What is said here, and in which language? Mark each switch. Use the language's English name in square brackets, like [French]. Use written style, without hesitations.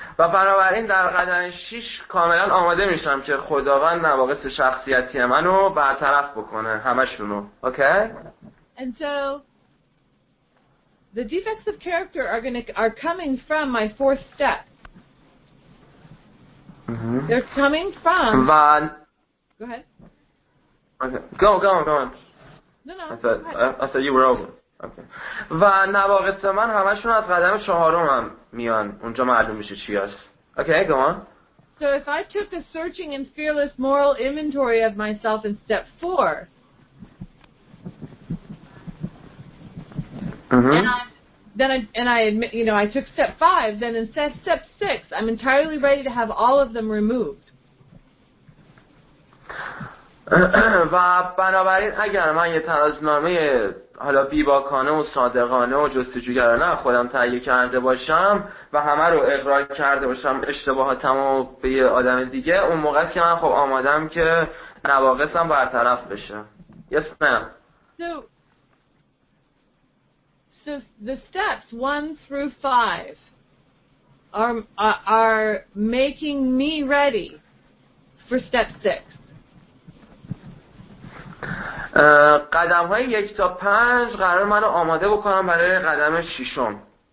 [Persian] و بنابراین در قدم 6 کاملا آماده میشم که خداوند نواقص شخصیتی منو برطرف بکنه، همشونو. [English] Okay? And so the defects of character are coming from my fourth step. They're coming from. Go ahead. Okay. Go on. No, I thought you were over. Okay. [Persian] و نواقص من همشون از قدم 4 هم میان. اونجا معلوم میشه چی هست. [English] Okay, go on. So if I took a searching and fearless moral inventory of myself in step 4, and then I admit, you know, I took step five, then in step six, I'm entirely ready to have all of them removed. [Persian] و بنابراین اگر من یه ترازنامه حالا بیباکانه و صادقانه و جستجوگرانه خودم تهیه کرده باشم و همه رو اقرار کرده باشم اشتباهاتم و به یه آدم دیگه، اون موقع که من خب آمادم که نواقصم برطرف بشه. [English] Yes, ma'am. So the steps 1 through 5 are making me ready for step 6. [Persian] قدم های 1 تا 5 قرار منو آماده بکنم برای قدم ششم.